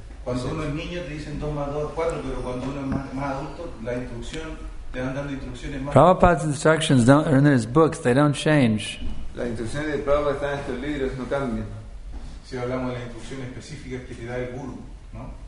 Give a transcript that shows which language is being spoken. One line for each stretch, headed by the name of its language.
Spanish: Cuando uno es niño te dicen 2 más 2 es 4, pero cuando uno es más adulto, la instrucción, te van dando instrucciones más.
English: Prabhupada's instructions don't, are in his books, they don't change.
Spanish: Las instrucciones de Prabhupada están en estos libros, no cambian. Si hablamos de las instrucciones específicas que te da el guru, ¿no?